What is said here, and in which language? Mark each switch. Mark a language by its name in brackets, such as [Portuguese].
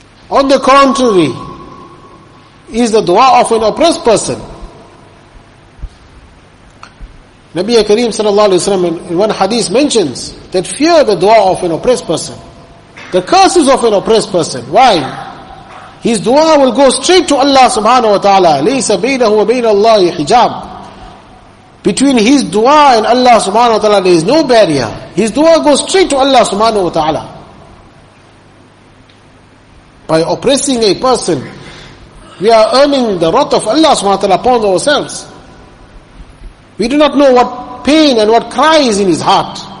[English] On the contrary, is the dua of an oppressed person. Nabi Kareem sallallahu alayhi wa sallam in one hadith mentions that fear the dua of an oppressed person. The curses of an oppressed person. Why? His dua will go straight to Allah subhanahu wa ta'ala. [Arabic] لَيْسَ بَيْنَهُ وَبَيْنَ اللَّهِ hijab. [English] Between his dua and Allah subhanahu wa ta'ala, there is no barrier. His dua goes straight to Allah subhanahu wa ta'ala. By oppressing a person, we are earning the wrath of Allah subhanahu wa ta'ala upon ourselves. We do not know what pain and what cry is in his heart.